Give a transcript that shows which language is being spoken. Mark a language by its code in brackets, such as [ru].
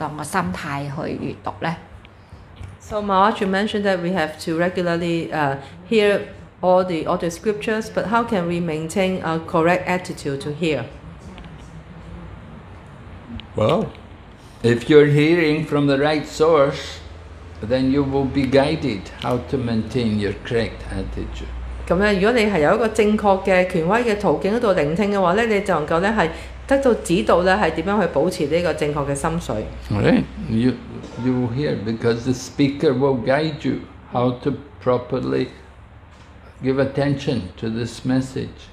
[zh] 我們一定要永恆地閱讀《博加瓦談》和經典，那我們在閱讀經典時，如何保持一個恰當的心態去閱讀呢? [en] So Maharaj, you mentioned that we have to regularly hear all the scriptures, but how can we maintain a correct attitude to hear? Well, if you're hearing from the right source, then you will be guided how to maintain your correct attitude. [zh] 如果你是有一個正確的權威的途徑聆聽的話,你就能夠得到指導如何保持這個正確的心水。 [en] Right. You will hear because the speaker will guide you how to properly give attention to this message.